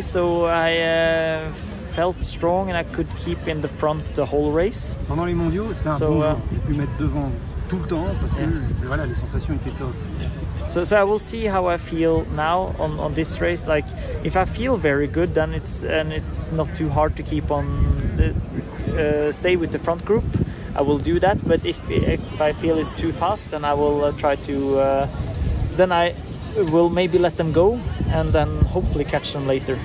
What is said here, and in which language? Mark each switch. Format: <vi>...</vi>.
<en>So I felt strong and I could keep in the front the whole race.</en> <fr>Pendant les mondiaux, c'était un bon jour. J'ai pu mettre devant tout le temps parce que voilà, les sensations étaient top.</fr> <en>So I will see how I feel now on this race. Like, if I feel very good, then it's not too hard to keep on stay with the front group. I will do that. But if I feel it's too fast, then I will try to then I will maybe let them go and then hopefully catch them later.</en>